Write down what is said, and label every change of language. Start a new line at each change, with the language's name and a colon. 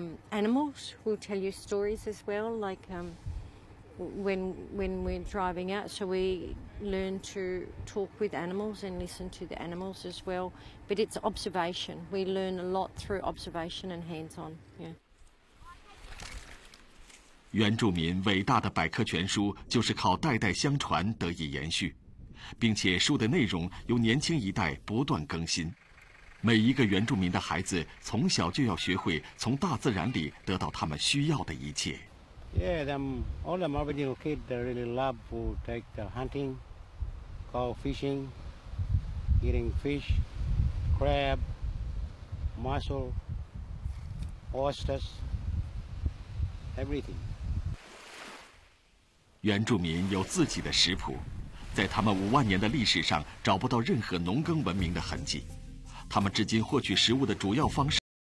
English: Animals will tell you stories as well, like when we're driving out. So we learn to talk with animals and listen to the animals as well. But it's observation. We learn a lot through observation and hands-on. Yeah.
Chinese: 原住民伟大的百科全书就是靠代代相传得以延续，并且书的内容由年轻一代不断更新。每一个原住民的孩子从小就要学会从大自然里得到他们需要的一切。
English: Yeah, them all the Aboriginal kids they really love to take the hunting, go fishing, eating fish, crab, mussel, oysters, everything.
Chinese: 原住民有自己的食谱，在他们五万年的历史上找不到任何农耕文明的痕迹。他们至今获取食物的主要方式